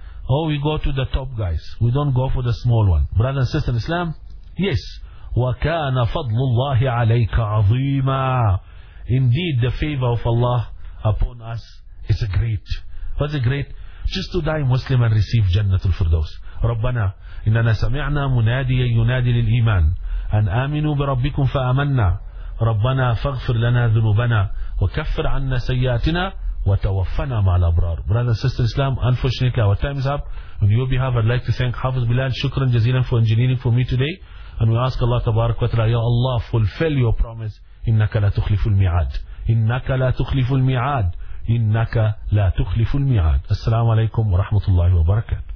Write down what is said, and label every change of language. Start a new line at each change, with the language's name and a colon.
English: Oh, we go to the top guys. We don't go for the small one. Brother and sister in Islam, yes.
Arabic: وَكَانَ فَضْلُ اللَّهِ عَلَيْكَ عَظِيمًا.
English: Indeed, the favor of Allah upon us is a great. What's a great? Just to die Muslim and receive Jannatul Firdaus.
Arabic: رَبَّنَا إِنَّنَا سَمِعْنَا مُنَادِيًا يُنَادِي لِلْإِيمَانِ أن آمنوا بربكم فآمنا ربنا فاغفر لنا ذنوبنا وكفر عنا سيئاتنا وتوفنا مع الأبرار.
English: Brother, sister, Islam, unfortunately our time is up. On your behalf, I'd like to thank Hafiz Bilal. Shukran jazilan for engineering for me today. And we ask Allah Tabarak wa Ta'ala, Ya Allah, fulfill your promise.
Arabic: إنك لا تخلف الميعاد. إنك لا تخلف الميعاد. إنك لا تخلف الميعاد. السلام عليكم ورحمة الله وبركاته.